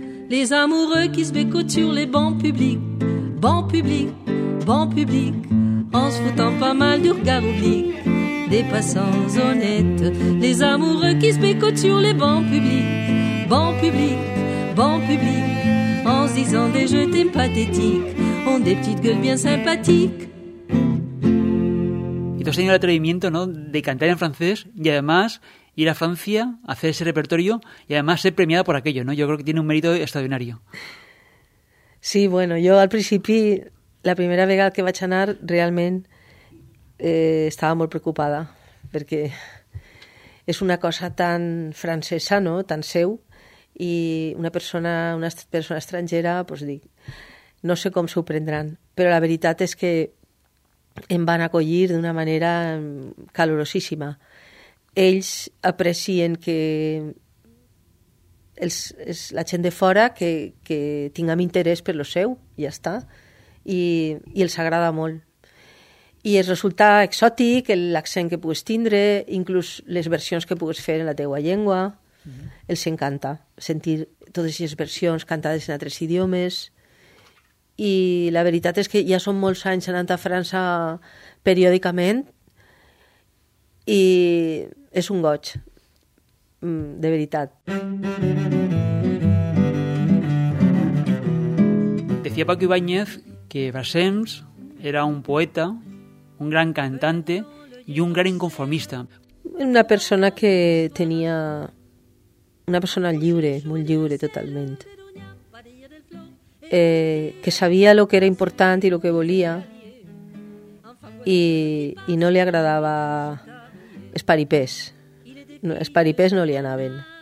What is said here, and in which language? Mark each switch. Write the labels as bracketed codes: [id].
[fr] Les amoureux qui se bécotent sur les bancs publics, bancs publics, bancs publics, en se foutant pas mal du regard oblique des passants honnêtes. Les amoureux qui se bécotent sur les bancs publics, bancs publics, bancs publics, en se disant des je t'aime pathétiques, ont des petites gueules bien sympathiques. [es] Y tú has tenido el atrevimiento, ¿no?, de cantar en francés y además ir a Francia, hacer ese repertorio y además ser premiada por aquello, ¿no? Yo creo que tiene un mérito extraordinario. Sí, bueno, yo al principio, la primera vez que [ca] vaig anar, [es] realmente estaba muy preocupada, porque es una cosa tan francesa, ¿no?, [ca] tan seu, [es] y una persona extranjera, pues digo, no sé cómo se prendrán, pero la verdad es que [ca] em van acollir d'una manera calorosíssima. Ells aprecien que és la gent de fora que tinguem interès per lo seu, ja està, i els agrada molt. I es resulta exòtic l'accent que pugues tindre, inclús les versions que pugues fer en la teua llengua, els encanta sentir totes les versions cantades en altres idiomes. I la veritat és que ja són molts anys anant a França periòdicament i és un goig, de veritat. [es] Decía Paco Ibáñez que Brassens era un poeta, un gran cantante y un gran inconformista. [ca] Una persona que tenia... una persona lliure, molt lliure totalment. Que sabia lo que era important i lo que volia i no li agradava esparipés. No, esparipés no li anaven.